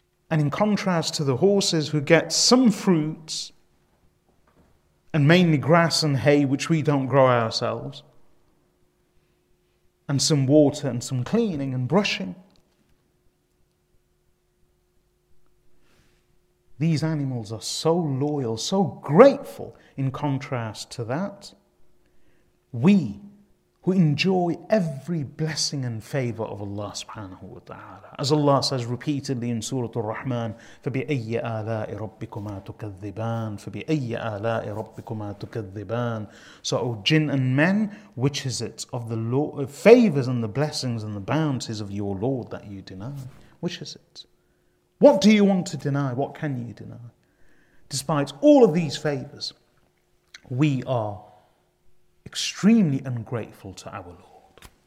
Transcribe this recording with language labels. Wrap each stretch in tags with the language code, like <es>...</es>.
<en>And in contrast to the horses who get some fruits, and mainly grass and hay, which we don't grow ourselves, and some water and some cleaning and brushing, these animals are so loyal, so grateful. In contrast to that, we who enjoy every blessing and favour of Allah subhanahu wa ta'ala. As Allah says repeatedly in Surah Ar-Rahman,</en> <ar>فَبِأَيَّ آلَاءِ رَبِّكُمَا تُكَذِّبَانِ فَبِأَيَّ آلَاءِ رَبِّكُمَا تُكَذِّبَانِ.</ar> <en>So, O jinn and men, which is it of the favours and the blessings and the bounties of your Lord that you deny? Which is it? What do you want to deny? What can you deny? Despite all of these favours, we are extremely ungrateful to our Lord.</en>